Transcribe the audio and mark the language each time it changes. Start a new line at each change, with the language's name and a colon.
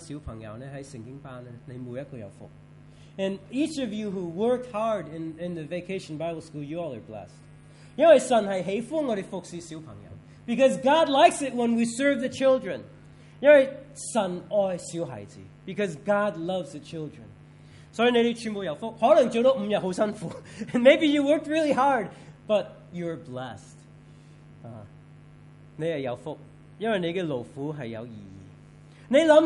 Chinese: 你们服侍这帮小朋友在圣经班,你们每一个有福。
English: And each of you who worked hard in the Vacation Bible School, you all are blessed.
Chinese: 因为神是喜欢我们服侍小朋友。
English: Because God likes it when we serve the children.
Chinese: 因为神爱小孩子,
English: because God loves the children.
Chinese: 所以你们全部有福,可能做得五天很辛苦,
English: and maybe you worked really hard, but you're blessed.
Chinese: 你也有福,因为你的劳苦是有意义。